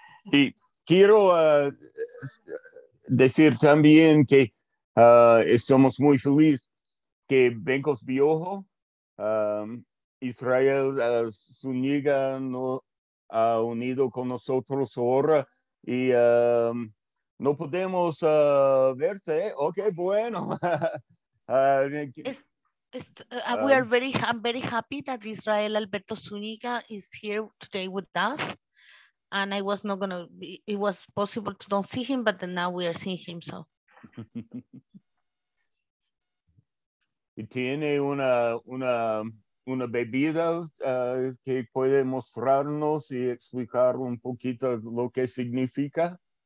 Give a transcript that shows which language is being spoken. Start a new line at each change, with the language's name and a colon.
Spanish: Y quiero decir también que estamos muy felices que Benkos Biohó Israel Zuniga no ha unido con nosotros ahora y no podemos verte. Okay, bueno.
English: we are very, I'm very happy that Israel Alberto Zuniga is here today with us. And I was not gonna, it was possible to don't see him, but then now we are seeing him, so.
Spanish: Y tiene una bebida que puede mostrarnos y explicar un poquito lo que significa.